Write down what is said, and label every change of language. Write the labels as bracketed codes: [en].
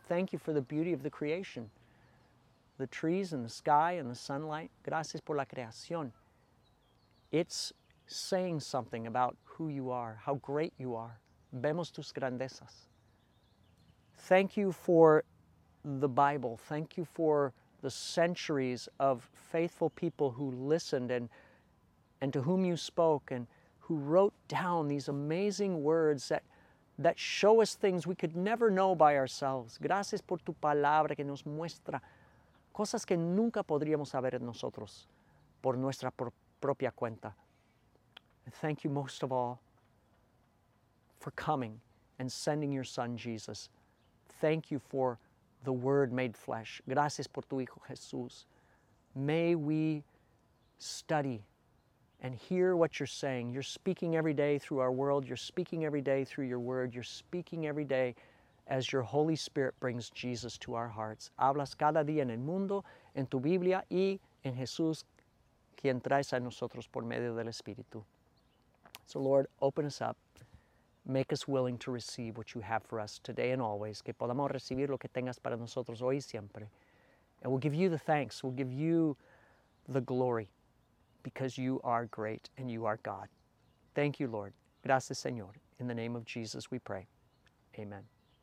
[en] Thank you for the beauty of the creation, the trees and the sky and the sunlight. [es] Gracias por la creación. [en] It's saying something about who you are, how great you are. [es] Vemos tus grandezas. [en] Thank you for the Bible. Thank you for the centuries of faithful people who listened and to whom you spoke and who wrote down these amazing words that show us things we could never know by ourselves. [es] Gracias por tu palabra que nos muestra cosas que nunca podríamos saber en nosotros por nuestra propia cuenta. [en] Thank you most of all for coming and sending your son Jesus. Thank you for the word made flesh. [es] Gracias por tu hijo Jesús. [en] May we study and hear what you're saying. You're speaking every day through our world. You're speaking every day through your word. You're speaking every day as your Holy Spirit brings Jesus to our hearts. [es] Hablas cada día en el mundo, en tu Biblia y en Jesús, quien traes a nosotros por medio del Espíritu. [en] So Lord, open us up. Make us willing to receive what you have for us today and always. [es] Que podamos recibir lo que tengas para nosotros hoy y siempre. [en] And we'll give you the thanks. We'll give you the glory because you are great and you are God. Thank you, Lord. [es] Gracias, Señor. [en] In the name of Jesus, we pray. Amen.